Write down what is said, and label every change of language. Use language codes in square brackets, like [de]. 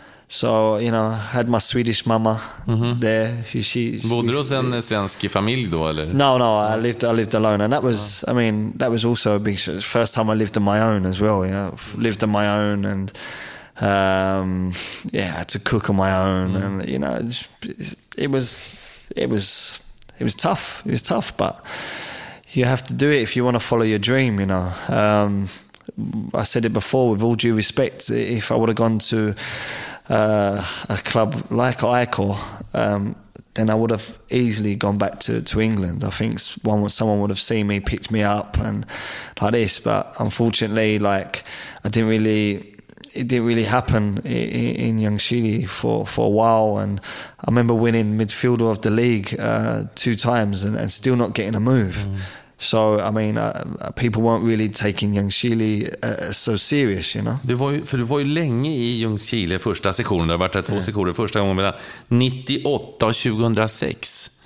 [en] So, you know, I had my Swedish mama there. [sv] Bodde du hos en svensk familj då, eller? [en] No, I lived alone. And that was, I mean, that was also a big show. First time I lived on my own as well, you know. Lived on my own and, yeah, I had to cook on my own. Mm. And, you know, it was tough. But you have to do it if you want to follow your dream, you know. I said it before, with all due respect, if I would have gone to a club like Aiko, then I would have easily gone back to England. I think someone would have seen me, picked me up and like this, but unfortunately, like, it didn't really happen in Yangshili for a while. And I remember winning midfielder of the league two times and still not getting a move. So, I mean, people weren't really taking Yangshili so serious, you know. [sv] Du var ju länge i Yangshili första sektionen. Du har varit där två sektioner första gången mellan 98 och 2006.